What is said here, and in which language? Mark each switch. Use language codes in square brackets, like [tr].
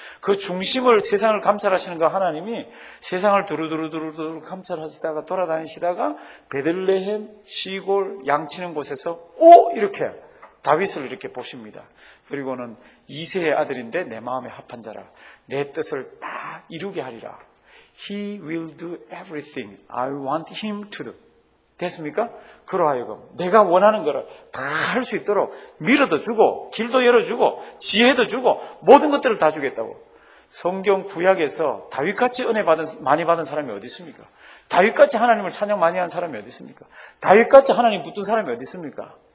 [ko] 그 중심을 세상을 감찰하시는 거, 하나님이 세상을 두루두루두루두루 감찰하시다가 돌아다니시다가 베들레헴 시골 양치는 곳에서 오! 이렇게 다윗을 이렇게 보십니다. 그리고는 이새의 아들인데 내 마음에 합한 자라. 내 뜻을 다 이루게 하리라. [en] He will do everything I want him to do. [ko] 됐습니까? 그러하여금 내가 원하는 것을 다 할 수 있도록 밀어도 주고 길도 열어주고 지혜도 주고 모든 것들을 다 주겠다고. 성경 구약에서 다윗같이 은혜 받은 많이 받은 사람이 어디 있습니까? 다윗같이 하나님을 찬양 많이 한 사람이 어디 있습니까? 다윗같이 하나님 붙든 사람이 어디 있습니까?